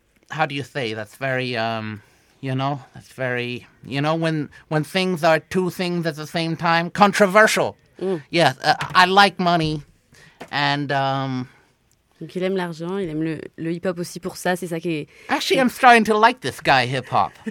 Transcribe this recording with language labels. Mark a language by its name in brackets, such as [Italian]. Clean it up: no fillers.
[English] How do you say? That's very, that's very, you know, when things are two things at the same time, controversial. Mm. Yes, I like money, and [French] Donc il aime l'argent, il aime le hip-hop aussi pour ça, c'est ça qui est... [English] Actually, I'm starting to like this guy, hip-hop.